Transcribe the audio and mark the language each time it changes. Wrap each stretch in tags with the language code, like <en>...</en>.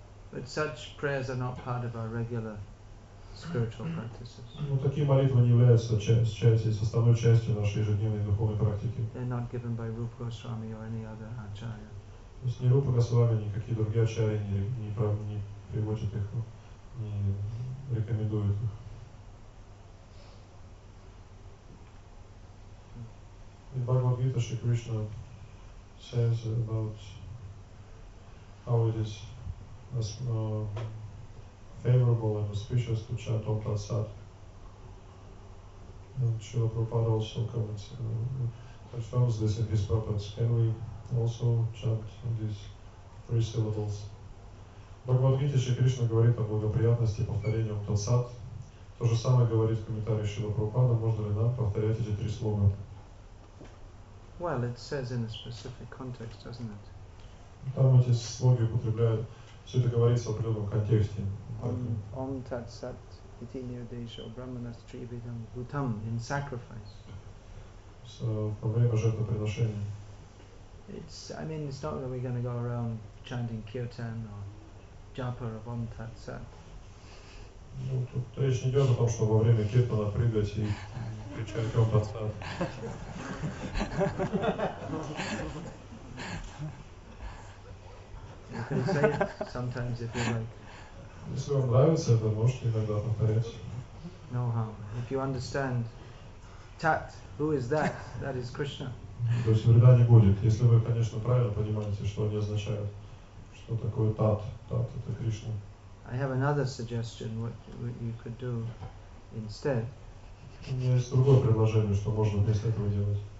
<en>But such prayers are not part of our regular spiritual practices.</en> <ru>Но такие молитвы не являются составной частью нашей ежедневной духовной практики.</ru> <en>They're not given by Rupa Goswami or any other acharya.</en> <ru>То есть ни Рупа Госвами, ни какие другие ачарьи не приводят их, не рекомендуют их.</ru> <en>И Бхагавад Гита Шри Кришна says about how it is as favorable and auspicious to chant Om Tat Sat. And Srila Prabhupada also comments, confirms this in his purpose. Can we also chant these three syllables?</en> <ru>Бхагавад Гита Шри Кришна говорит о благоприятности повторения Ом Тат Сат. То же самое говорит в комментарии Шрила Прабхупада. Можно ли нам повторять эти три слова?</ru> <en>Well, it says in a specific context, doesn't it?</en> <ru>Там эти слоги употребляют, все это говорится в определенном контексте.</ru> <sa>Ом Тат Сат Ити Нирдешо Брахманас Тривидам Бхутам,</sa> <en>in sacrifice.</en> <ru>Во время жертвоприношения.</ru> <en>It's not that we're going to go around chanting kirtan or japa of Om Tat Sat.</en> <ru>Ну, тут речь не идет о том, что во время киртана прыгать и кричать Om Tat Sat.</ru> <en>You can say it sometimes if you like.</en> <ru>Если вам нравится, то можете иногда повторять.</ru> <en>No harm. If you understand Tat, who is that? That is Krishna.</en> <ru>То есть вреда не будет, если вы, конечно, правильно понимаете, что они означают, что такое Тат. Тат – это Кришна.</ru> <en>I have another suggestion, what you could do instead.</en> <ru>У меня есть другое предложение, что можно вместо этого делать.</ru>